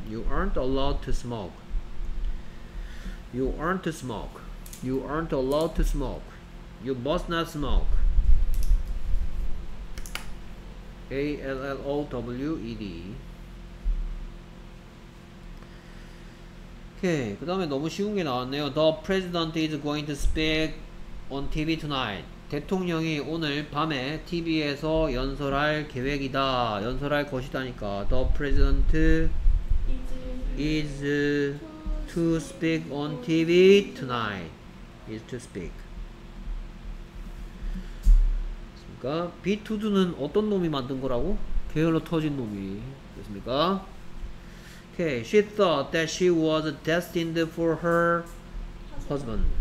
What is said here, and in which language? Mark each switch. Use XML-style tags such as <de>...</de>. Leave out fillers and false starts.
<en>You aren't allowed to smoke. You aren't to smoke. You aren't allowed to smoke. You must not smoke. ALLOWED.</en> <ko>오케이. 그 다음에 너무 쉬운 게 나왔네요.</ko> <en>The president is going to speak on TV tonight.</en> <ko>대통령이 오늘 밤에 TV에서 연설할 계획이다. 연설할 것이다니까. The president</ko> <en>is to speak on TV tonight. Is to speak.</en> <ko>그러니까 비투두는 어떤 놈이 만든 거라고? 게을러 터진 놈이. 됐습니까?</ko> <en>Okay, she thought that she was destined for her husband.</en>